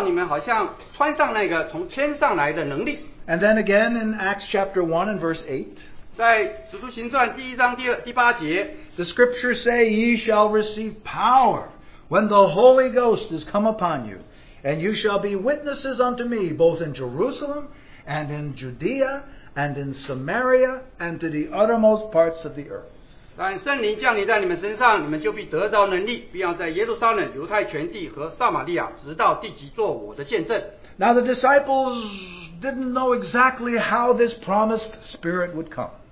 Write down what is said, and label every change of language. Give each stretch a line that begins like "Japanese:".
Chinese: 在耶路撒冷等候然直到你们好像穿上那个从天上来的能力。
English: And then again in Acts chapter 1 and verse 8,
Chinese: 在使徒行传第一章第八节,
English: the scriptures say, ye shall receive power when the Holy Ghost is come upon you. And you shall be witnesses unto me, both in Jerusalem, and in Judea, and in Samaria, and to the uttermost parts of the earth.
Chinese: 但圣灵降临在你们身上,你们就必得到能力,必要在耶路撒冷,犹太全地和撒玛利亚,直到地极做我的见证。
English: Now the disciples didn't know exactly how this promised Spirit would come.